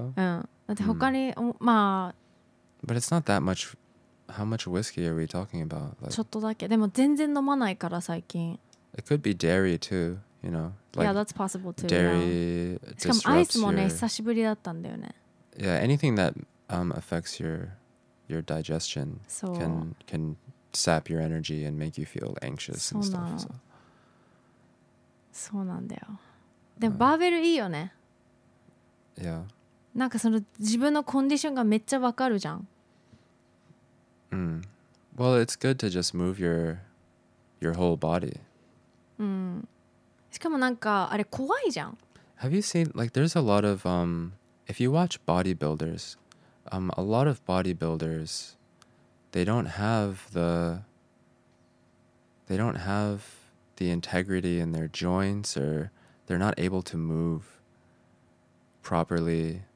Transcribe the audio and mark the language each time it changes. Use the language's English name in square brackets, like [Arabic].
[Japanese] うん、だって他に、まあ [English] But it's not that much. How much whiskey are we talking about? [Japanese] ちょっとだけ。でも全然飲まないから最近。 [English] It could be dairy too, you know, like, Yeah, that's possible too. Dairy [Japanese] しかもアイスもね久しぶりだったんだよね。 [English] Yeah, anything that affects your digestion can sap your energy and make you feel anxious and stuff. [Japanese] そうなんだよ。でもバーベルいいよね。 [English] Yeah. [Japanese] なんかその自分のコンディションがめっちゃわかるじゃん。 [English] Well, it's good to just move your whole body. [Japanese] しかもなんかあれ怖いじゃん。 [English] Have you seen, like, there's a lot of, if you watch bodybuilders, a lot of bodybuilders... They don't have the integrity in their joints, or they're not able to move properly.